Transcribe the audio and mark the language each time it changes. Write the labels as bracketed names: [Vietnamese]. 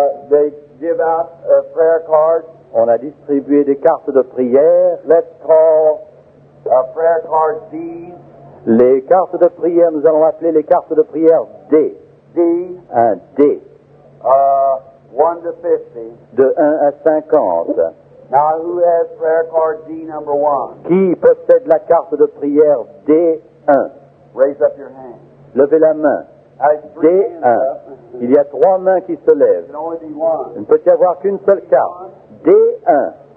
[English] They give out a prayer card. [French] On a distribué des cartes de prière. [English] Let's call a prayer card D. [French] Les cartes de prière, nous allons appeler les cartes de prière D. [English] D. [French] Un D. [English] 1 to 50. [French] De 1 à 50. [English] Now, who has prayer card D number 1? [French] Qui possède la carte de prière D1? [English] Raise up your hand. [French] Levez la main. [English] D1. [French] Il y a trois mains qui se lèvent. Il ne peut y avoir qu'une seule carte. D1.